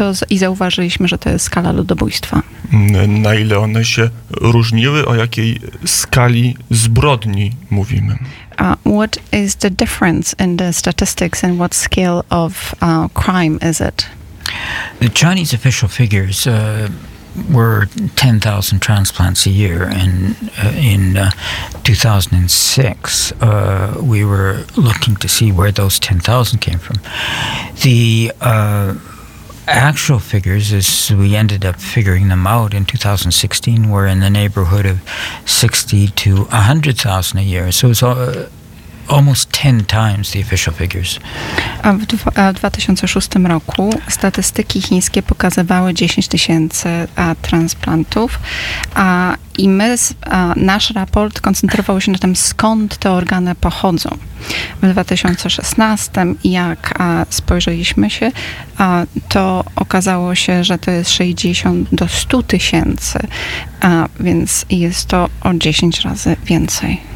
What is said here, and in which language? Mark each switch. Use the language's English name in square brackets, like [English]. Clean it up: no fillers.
[Polish] I zauważyliśmy, że to jest skala ludobójstwa. Na ile one się różniły? O jakiej skali zbrodni mówimy? [English] What is the difference in the statistics and what scale of crime is it? The Chinese official figures were 10,000 transplants a year, and in 2006 we were looking to see where those 10,000 came from. The actual figures, as we ended up figuring them out in 2016, were in the neighborhood of 60 to 100,000 a year. So it's almost 10 times the official figures. [Polish] W 2006 roku statystyki chińskie pokazywały 10 tysięcy transplantów, i my, nasz raport koncentrował się na tym, skąd te organy pochodzą. W 2016, jak spojrzeliśmy się, to okazało się, że to jest 60 do 100 tysięcy, więc jest to o 10 razy więcej.